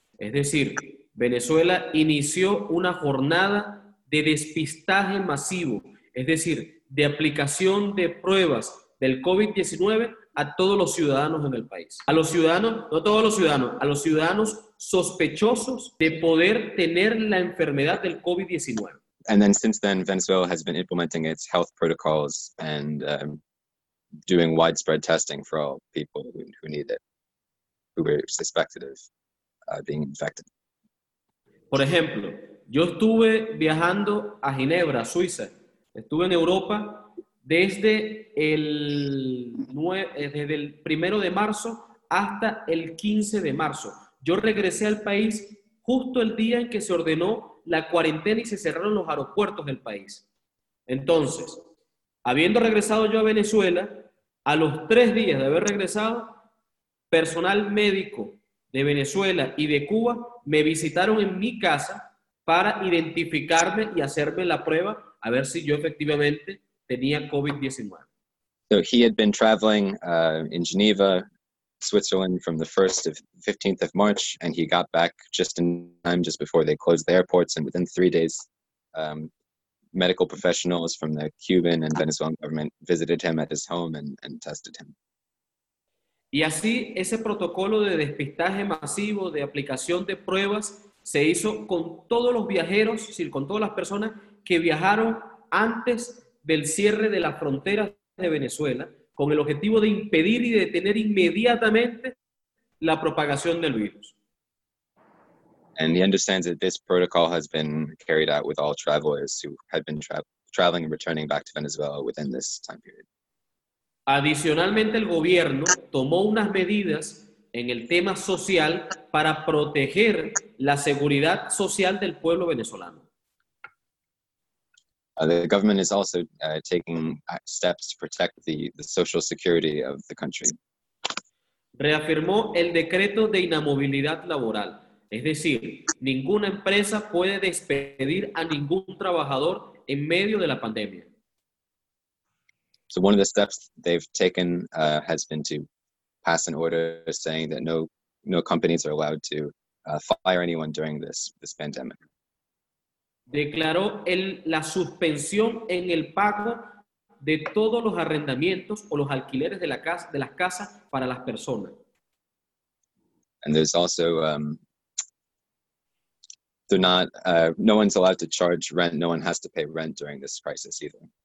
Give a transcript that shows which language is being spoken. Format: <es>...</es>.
<es>Es decir, Venezuela inició una jornada de despistaje masivo, es decir, de aplicación de pruebas del COVID-19 a todos los ciudadanos en el país. A los ciudadanos, no todos los ciudadanos, a los ciudadanos sospechosos de poder tener la enfermedad del COVID-19.</es> <en>And then since then, Venezuela has been implementing its health protocols and doing widespread testing for all people who need it, who were suspected of being infected.</en> <es>Por ejemplo, yo estuve viajando a Ginebra, Suiza. Estuve en Europa desde el 1 de marzo hasta el 15 de marzo. Yo regresé al país justo el día en que se ordenó la cuarentena y se cerraron los aeropuertos del país. Entonces, habiendo regresado yo a Venezuela, a los 3 días de haber regresado, personal médico de Venezuela y de Cuba me visitaron en mi casa para identificarme y hacerme la prueba, a ver si yo efectivamente tenía COVID-19.</es> <en>So he had been traveling in Geneva, Switzerland, from the 15th of March, and he got back just in time, just before they closed the airports, and within 3 days, medical professionals from the Cuban and Venezuelan government visited him at his home and tested him.</en> <es>Y así, ese protocolo de despistaje masivo, de aplicación de pruebas, se hizo con todos los viajeros, es decir, con todas las personas que viajaron antes del cierre de las fronteras de Venezuela, con el objetivo de impedir y detener inmediatamente la propagación del virus.</es> <en>And he understands that this protocol has been carried out with all travelers who had been traveling and returning back to Venezuela within this time period.</en> <es>Adicionalmente, el gobierno tomó unas medidas en el tema social para proteger la seguridad social del pueblo venezolano.</es> <en>The government is also taking steps to protect the social security of the country.</en> <es>Reafirmó el decreto de inamovilidad laboral, Es decir, ninguna empresa puede despedir a ningún trabajador en medio de la pandemia.</es> <en>So one of the steps they've taken has been to pass an order saying that no companies are allowed to fire anyone during this pandemic.</en> <es>Declaró la suspensión en el pago de todos los arrendamientos o los alquileres de las casas para las personas.</es> <en>And there's also no one's allowed to charge rent. No one has to pay rent during this crisis either.</en>